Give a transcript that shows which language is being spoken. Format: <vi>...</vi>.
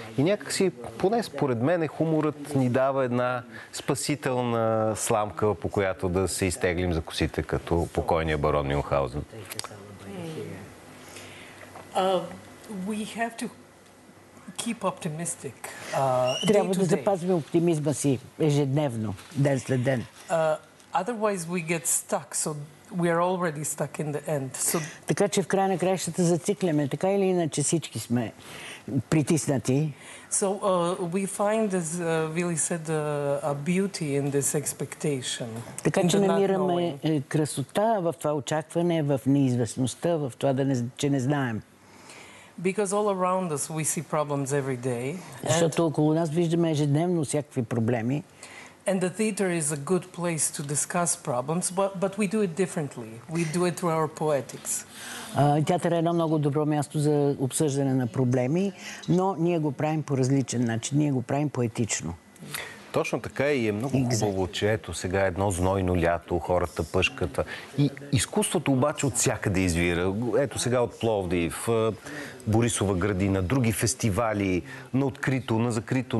<bg>И някакси, поне според мен, хуморът ни дава една спасителна сламка, по която да се изтеглим за косите, като покойния барон Мюнхгаузен.</bg> <en>Keep optimistic.</en> <bg>Трябва да запазваме оптимизма си ежедневно, ден след ден.</bg> <en>Otherwise we get stuck, so we are already stuck in the end. So</en> <bg>така че в края на краищата зацикляме, така или иначе всички сме притиснати.</bg> <en>So we find as Willy said a beauty in this expectation.</en> <bg>Така че намираме красота в това очакване, в неизвестността, в това да не, че не знаем.</bg> <en>Because all around us we see problems every day.</en> <bg>Защото около нас виждаме ежедневно всякакви проблеми.</bg> <en>And the theater is a good place to discuss problems, but we do it differently. We do it through our poetics.</en> <bg>Театър е едно много добро място за обсъждане на проблеми, но ние го правим по различен начин. Ние го правим поетично. Точно така и е много хубаво, че ето сега едно знойно лято, хората пъшкат. И изкуството обаче отсякъде извира. Ето сега от Пловдив, Борисова градина, други фестивали, на открито, на закрито.</bg>